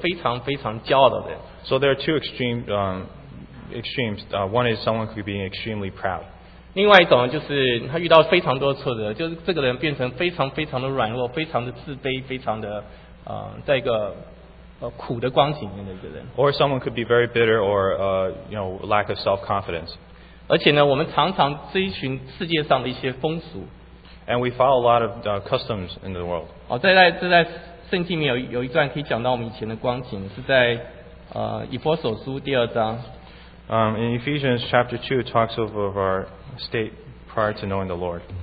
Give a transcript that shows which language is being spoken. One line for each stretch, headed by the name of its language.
Chinese: 因此呢，人有两个，常常会有两个极端，不然就是这个人变成一个非常非常骄傲的人。
English: So there are two extremes. One is someone who being extremely proud.
Chinese: 另外一种就是他遇到非常多挫折，就是这个人变成非常非常的软弱，非常的自卑，非常的在一个苦的光景里面的一个人。
English: Or someone could be very bitter or lack of self-confidence.
Chinese: 而且呢，我们常常追寻世界上的一些风俗。
English: And we follow a lot of customs in the world.
Chinese: 哦，在圣经里面有一段可以讲到我们以前的光景，是在以弗所书第二章。
English: In Ephesians chapter 2 talks of our state prior to knowing the Lord.